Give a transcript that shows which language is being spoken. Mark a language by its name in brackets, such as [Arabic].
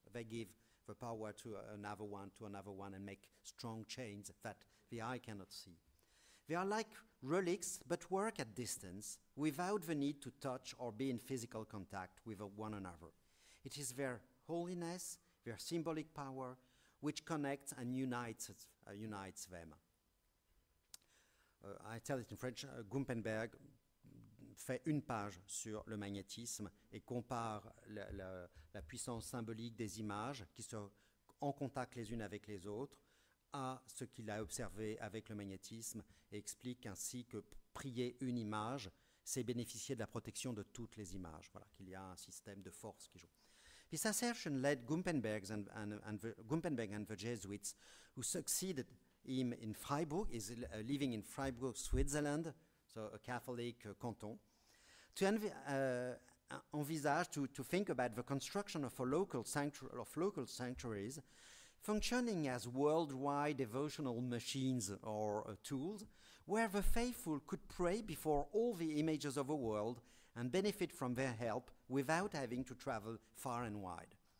[English] They give the power to another one, to another one, and make strong chains that the eye cannot see. They are like relics, but work at distance without the need to touch or be in physical contact with one another. It is their holiness, their symbolic power, which connects and unites them. I tell it in French, [French] Gumpenberg fait une page sur le magnétisme et compare la puissance symbolique des images qui sont en contact les unes avec les autres à ce qu'il a observé avec le magnétisme et explique ainsi que prier une image, c'est bénéficier de la protection de toutes les images. Voilà, qu'il y a un système de force qui joue. [English] This assertion led Gumpenberg and the Jesuits who succeeded him in Freiburg, is living in Freiburg, Switzerland, so a Catholic canton, to think about the construction of a local sanctuaries functioning as worldwide devotional machines or tools where the faithful could pray before all the images of the world and benefit from their help without having to travel far and wide.